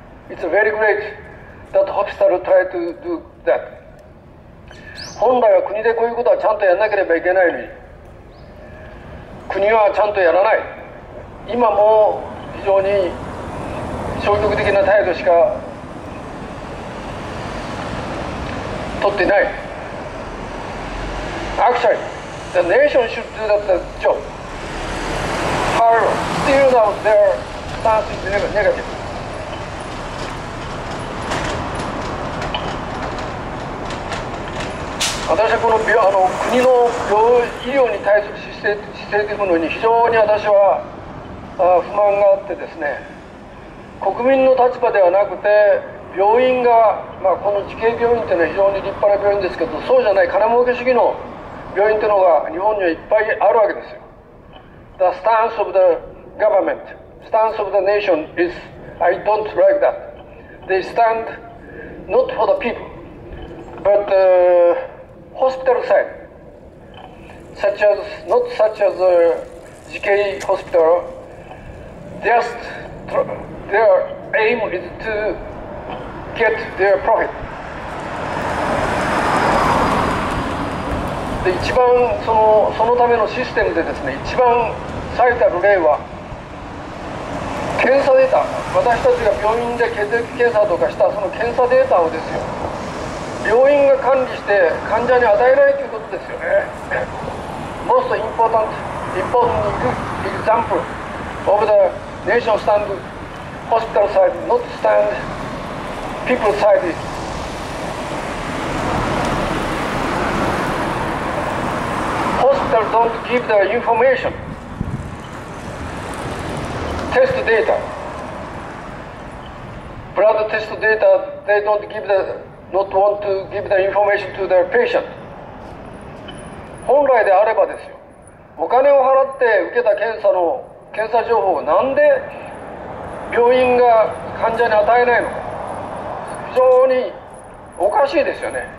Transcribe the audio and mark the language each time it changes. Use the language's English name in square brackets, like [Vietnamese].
[English] It's very greatThat hospital tried to do that. [Japanese] 本来は国でこういうことはちゃんとやらなければいけないのに、国はちゃんとやらない。今も非常に消極的な態度しか取っていない。 [English] Actually, the nation should do that job. But still now their stance is negative. [Japanese] 私はこの病、あの国の病医療に対する姿勢というものに非常に私は不満があってですね、国民の立場ではなくて病院が、まあ、この慈恵病院というのは非常に立派な病院ですけど、そうじゃない金儲け主義の病院というのが日本にはいっぱいあるわけですよ。 [English] The stance of the government, stance of the nation is I don't like that. They stand not for the people, butHospital side, such as, not such as a GK hospital, their aim is to get their profit. [Japanese] で、一番そのためのシステムでですね、一番最たる例は、検査データ、私たちが病院で血液検査とかしたその検査データをですよ、病院が管理して患者に与えないということですよね。 [English] Most important example of the nation stand hospital side, not stand people side. Hospital don't give the information, test data, blood test data, they don't give the. Not want to give the information to their patient. [Japanese] 本来であればですよ、お金を払って受けた検査の検査情報をなんで病院が患者に与えないのか、非常におかしいですよね。